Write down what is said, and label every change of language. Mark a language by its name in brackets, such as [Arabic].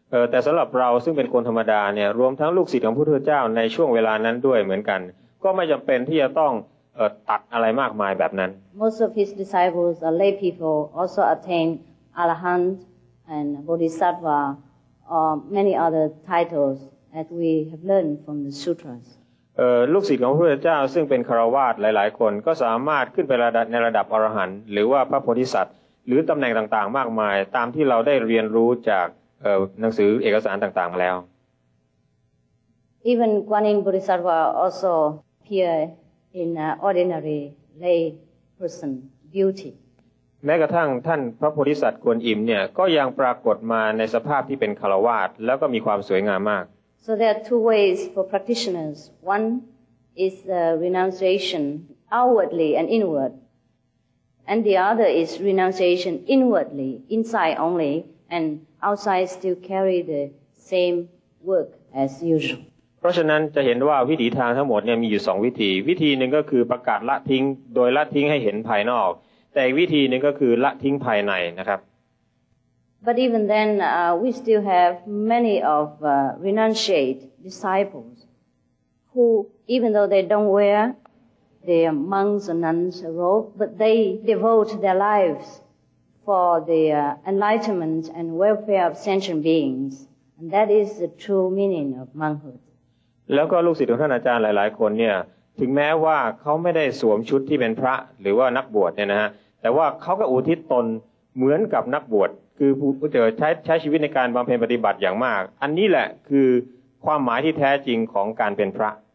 [Thai] แต่สำหรับเราซึ่งเป็นคนธรรมดาเนี่ยรวมทั้งลูกศิษย์ของพระพุทธเจ้าในช่วงเวลานั้นด้วยเหมือนกันก็ไม่จำเป็นที่จะต้องตัดอะไรมากมายแบบนั้น [English] Most of his disciples are lay people also attained arahant and bodhisattva or many other titles that we have learned from the sutras [Thai] ลูกศิษย์ของพระพุทธเจ้าซึ่งเป็นคฤหัสถ์หลายๆคนก็สามารถขึ้นไประดับในระดับอรหันต์หรือว่าพระโพธิสัตว์หรือตำแหน่งต่างๆมากมายตามที่เราได้เรียนรู้จากหนังสือเอกสารต่างๆมาแล้ว [English] Even Guan Yin Bodhisattva also appear in an ordinary lay person beauty [Thai] แม้กระทั่งท่านพระโพธิสัตว์กวนอิมเนี่ยก็ยังปรากฏมาในสภาพที่เป็นคฤหัสถ์แล้วก็มีความสวยงามมาก [English] So there are two ways for practitioners one is the renunciation outwardly and inwardAnd the other is renunciation inwardly, inside only, and outside still carry the same work as usual. [Thai] เพราะฉะนั้นจะเห็นว่าวิถีทางทั้งหมดเนี่ยมีอยู่สองวิธีวิธีหนึ่งก็คือประกาศละทิ้งโดยละทิ้งให้เห็นภายนอกแต่วิธีหนึ่งก็คือละทิ้งภายในนะครับ [English] But even then, we still have many of renunciate disciples who, even though they don't wear. They are monks and nuns, but they devote their lives for the enlightenment and welfare of sentient beings. And that is the true meaning of monkhood. [Thai] แล้วก็ลูกศิษย์ของท่านอาจารย์หลายๆคนเนี่ยถึงแม้ว่าเขาไม่ได้สวมชุดที่เป็นพระหรือว่านักบวชเนี่ยนะฮะแต่ว่าเขาก็อุทิศตนเหมือนกับนักบวช คือผู้เจอใช้ชีวิตในการบำเพ็ญปฏิบัติอย่างมากอันนี้แหละคือความหมายที่แท้จริงของการเป็นพระ